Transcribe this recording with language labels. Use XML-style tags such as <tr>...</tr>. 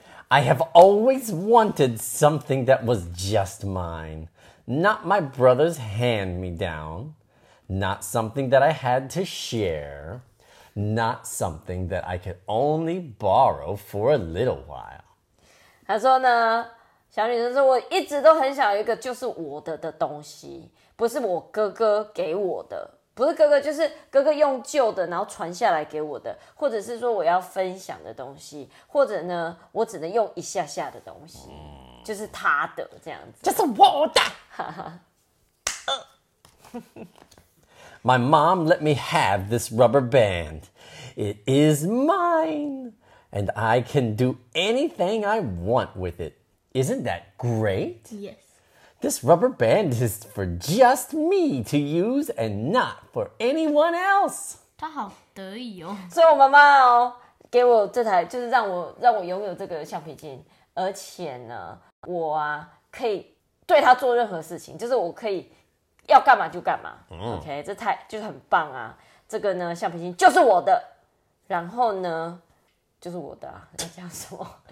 <en>I have always wanted something that was just mine, not my brother's hand-me-down, not something that I had to share, not something that I could only borrow for a little while.</en> <zh>她说呢，小女生说，我一直都很想有一个就是我的东西，不是我哥哥给我的，不是哥哥，就是哥哥用旧的，然后传下来给我的，或者是说我要分享的东西，或者呢，我只能用一下下的东西，就是他的这样子，就是我的。</zh> <en>My mom let me have this rubber band. It is mine, and I can do anything I want with it. Isn't that great? Yes. This rubber band is for just me to use and not for anyone else.</en> <zh>他好得意哦。所以我妈妈哦，给我这台，就是让我拥有这个橡皮筋，而且呢，我啊可以对他做任何事情，就是我可以要干嘛就干嘛。 OK， 这台就是很棒啊。这个呢，橡皮筋就是我的，然后呢，就是我的啊。你讲什么？</zh>